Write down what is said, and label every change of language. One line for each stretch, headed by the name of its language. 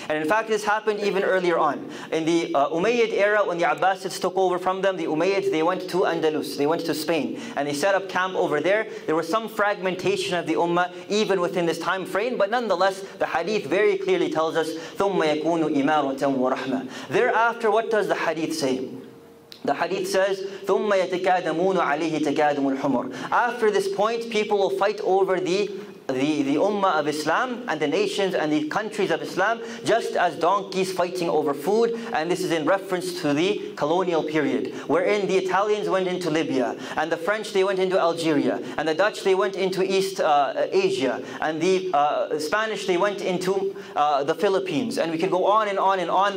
English: And in fact, this happened even earlier on. In the Umayyad era, when the Abbasids took over from them, the Umayyads, they went to Andalus, they went to Spain, and they set up camp over there. There was some fragmentation of the Ummah even within this time frame, but nonetheless, the Hadith very clearly tells us,
Arabic: ثُمَّ يَكُونُ إِمَارَةً وَرَحْمَةً.
English: Thereafter, what does the Hadith say? The Hadith says,
Arabic: ثُمَّ يَتَكَادَمُونُ عَلَيْهِ تَكَادَمُ الْحُمُرُ.
English: After this point, people will fight over the Ummah of Islam and the nations and the countries of Islam just as donkeys fighting over food. And this is in reference to the colonial period, wherein the Italians went into Libya, and the French, they went into Algeria, and the Dutch, they went into East Asia, and the Spanish, they went into the Philippines, and we can go on and on and on.